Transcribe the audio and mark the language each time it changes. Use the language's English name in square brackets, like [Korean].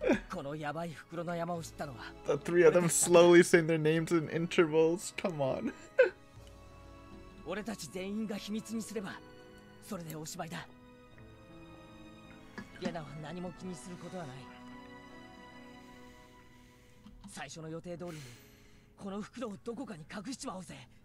[Japanese] このやばい袋の山を知ったのは。 [English] The three of them slowly saying their names in intervals. Come on. [Japanese] 俺たち全員が秘密にすれば、それでおしまいだ。レナは何も気にすることはない。最初の予定通りに、この袋をどこかに隠しちまおうぜ。